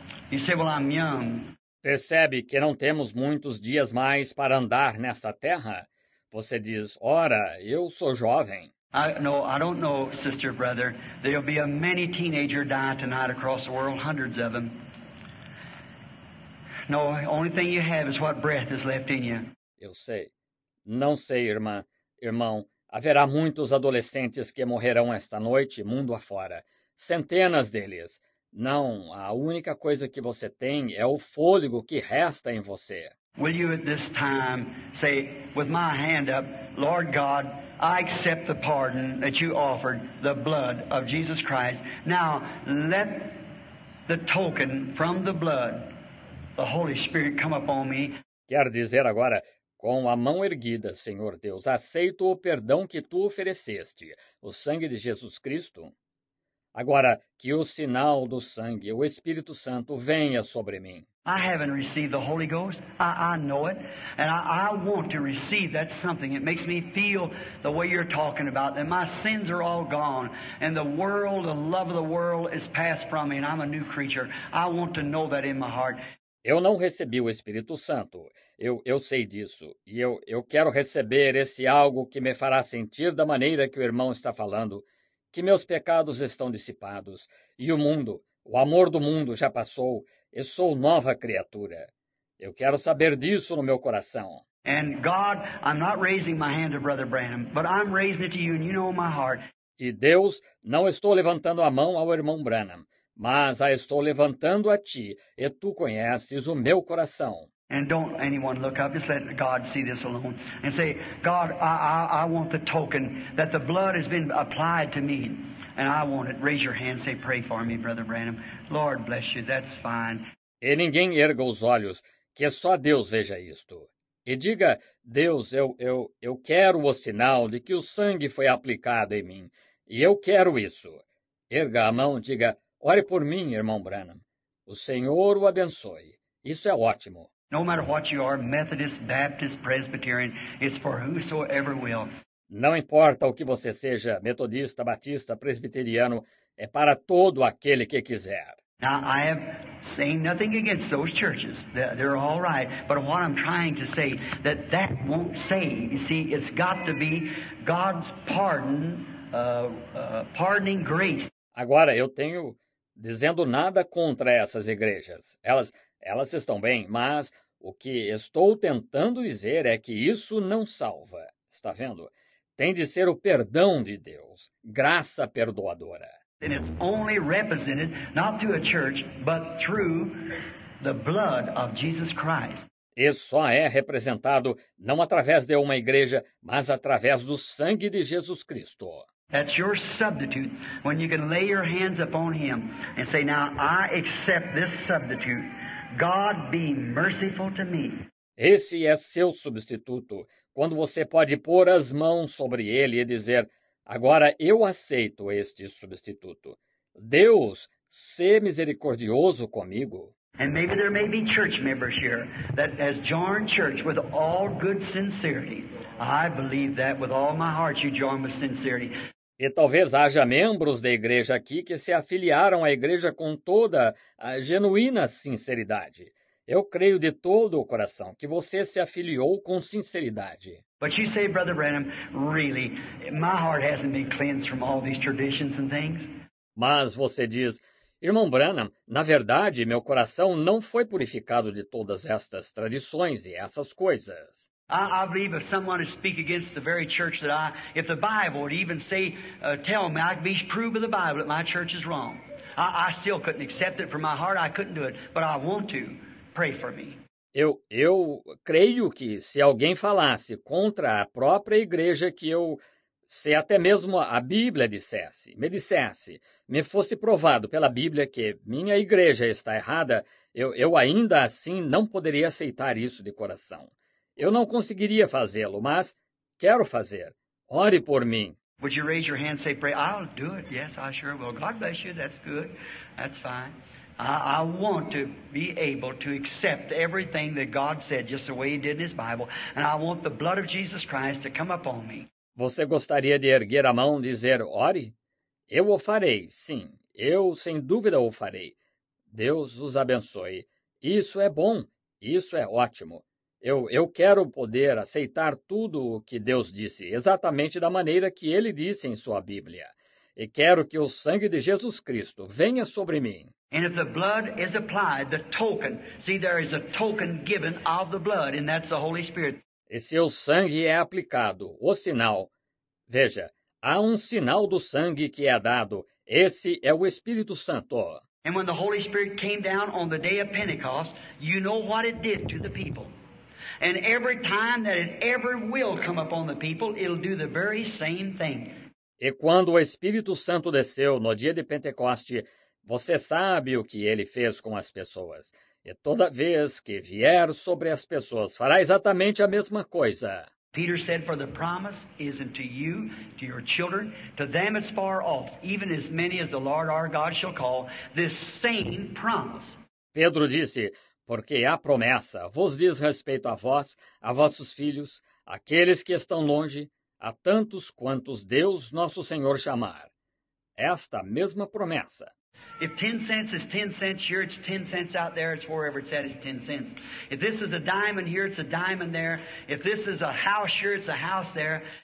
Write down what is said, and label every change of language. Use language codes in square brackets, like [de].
[en] You say, well, I'm young. [pt] Percebe que não temos muitos dias mais para andar nessa terra? Você diz, ora, eu sou jovem. [en] I don't know, sister, brother. There'll be a many teenager die tonight across the world, hundreds of them. No, only thing you have is what breath is left in you. [pt] Eu sei. Não sei, irmã. Irmão, haverá muitos adolescentes que morrerão esta noite, mundo afora. Centenas deles. Não, a única coisa que você tem é o fôlego que resta em você. [en] Will you at this time say, with my hand up, Lord God, I accept the pardon that you offered, the blood of Jesus Christ. Now, let the token from the blood, the Holy Spirit, come upon me. [pt] Quer dizer agora... Com a mão erguida, Senhor Deus, aceito o perdão que Tu ofereceste, o sangue de Jesus Cristo. Agora, que o sinal do sangue, o Espírito Santo, venha sobre mim. [en] I haven't received the Holy Ghost. I know it. And I want to receive that something. It makes me feel the way you're talking about, that my sins are all gone. And the world, the love of the world is passed from me. And I'm a new creature. I want to know that in my heart. [pt] Eu não recebi o Espírito Santo. Eu sei disso. E eu quero receber esse algo que me fará sentir da maneira que o irmão está falando, que meus pecados estão dissipados, e o mundo, o amor do mundo já passou, e sou nova criatura. Eu quero saber disso no meu coração. [en] And God, I'm not raising my hand to Brother Branham, but I'm raising it to you, and you know my heart. [pt] E Deus, não estou levantando a mão ao irmão Branham. Mas a estou levantando a ti, e tu conheces o meu coração. [en] And don't anyone look up, just let God see this alone. And say, God, I want the token that the blood has been applied to me. And I want it. Raise your hand, say, pray for me, Brother Branham. Lord, bless you, that's fine. [pt] E ninguém erga os olhos, que só Deus veja isto. E diga, Deus, eu quero o sinal de que o sangue foi aplicado em mim. E eu quero isso. Erga a mão, diga, ore por mim, irmão Branham. O Senhor o abençoe. Isso é ótimo. [en] No matter what you are, Methodist, Baptist, Presbyterian, it's for whosoever will. [pt] Não importa o que você seja, metodista, batista, presbiteriano, é para todo aquele que quiser. [en] Now, I have saying nothing against those churches. They're all right. But what I'm trying to say, that won't say. You see, it's got to be God's pardon, pardoning grace. [pt] Agora, eu tenho dizendo nada contra essas igrejas. Elas estão bem, mas o que estou tentando dizer é que isso não salva. está vendo? Tem de ser o perdão de Deus, graça perdoadora. [en] And it's only represented not through a church, but through the blood of Jesus Christ. [pt] E só é representado não através de uma igreja, mas através do sangue de Jesus Cristo. [en] That's your substitute when you can lay your hands upon him and say, now I accept this substitute. God be merciful to me. [pt] Esse é seu substituto, quando você pode pôr as mãos sobre ele e dizer, agora eu aceito este substituto. Deus, se misericordioso comigo. [en] And maybe there may be church members here that has joined church with all good sincerity. I believe that with all my heart you join with sincerity. [pt] E talvez haja membros da igreja aqui que se afiliaram à igreja com toda a genuína sinceridade. Eu creio de todo o coração que você se afiliou com sinceridade. [en] But you say, Brother Branham, really, my heart hasn't been cleansed from all these traditions and things. [pt] Mas você diz, Irmão Branham, na verdade, meu coração não foi purificado de todas estas tradições e essas coisas. [en] I believe if someone would speak against the very church that I, if the Bible would even say, tell me, I'd be proof of the Bible that my church is wrong. I still couldn't accept it from my heart, I couldn't do it, but I want to. Pray for me. [pt] Eu creio que se alguém falasse contra a própria igreja que eu... Se até mesmo a Bíblia dissesse, me dissesse, me fosse provado pela Bíblia que minha igreja está errada, eu ainda assim não poderia aceitar isso de coração. Eu não conseguiria fazê-lo, mas quero fazer. Ore por mim. [en] Would you raise your hand and say, pray? I'll do it. Yes, I sure will. God bless you. That's good. That's fine. I want to be able to accept everything that God said, just the way he did in his Bible. And I want the blood of Jesus Christ to come upon me. [pt] Você gostaria de erguer a mão e dizer, ore? Eu o farei, sim. Eu, sem dúvida, o farei. Deus os abençoe. Isso é bom. Isso é ótimo. Eu quero poder aceitar tudo o que Deus disse, exatamente da maneira que Ele disse em sua Bíblia. E quero que o sangue de Jesus Cristo venha sobre mim. [en] And if the blood is applied, the token, see, there is a token given of the blood, and that's the Holy Spirit. [pt] E se o sangue é aplicado, o sinal, veja, há um sinal do sangue que é dado, esse é o Espírito Santo. [en] And when the Holy Spirit came down on the day of Pentecost, you know what it did to the people. And every time that it ever will come upon the people, it'll do the very same thing. [pt] E quando o Espírito Santo desceu no dia de Pentecoste, você sabe o que ele fez com as pessoas. E toda vez que vier sobre as pessoas, fará exatamente a mesma coisa. [en] Peter said, for the promise is unto you, to your children, to them it's far off, even as many as the Lord our God shall call, this same promise. [pt] Pedro disse, porque a promessa vos diz respeito a vós, a vossos filhos, àqueles que estão longe, a tantos quantos Deus nosso Senhor chamar. Esta mesma promessa. [en] If 10 cents is 10 cents here, it's 10 cents out there, it's wherever it's at, it's 10 cents. If this is a diamond here, it's a diamond there. If this is a house here, it's a house there.